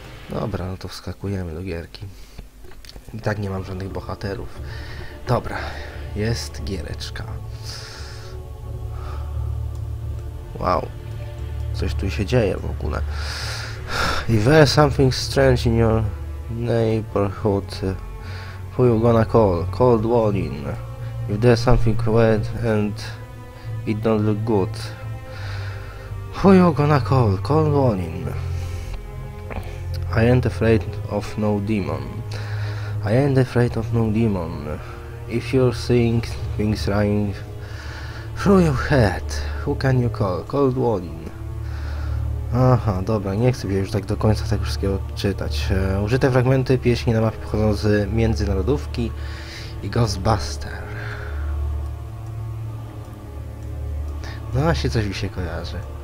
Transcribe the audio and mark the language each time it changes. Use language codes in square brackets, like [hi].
[pl] Dobra, no to wskakujemy do gierki. I tak nie mam żadnych bohaterów. Dobra, jest giereczka. Wow, coś tu się dzieje w ogóle. [en] If there's something strange in your neighborhood, who you gonna call? Cold warning. If there's something weird and it don't look good, who you gonna call? Cold warning. I ain't afraid of no demon. I ain't afraid of no demon. If you're seeing things running through your head, who can you call? Cold warning. [pl] Aha, dobra, nie chcę już tak do końca tego wszystkiego czytać. Użyte fragmenty pieśni na mapie pochodzą z Międzynarodówki i Ghostbuster. No właśnie, coś mi się kojarzy.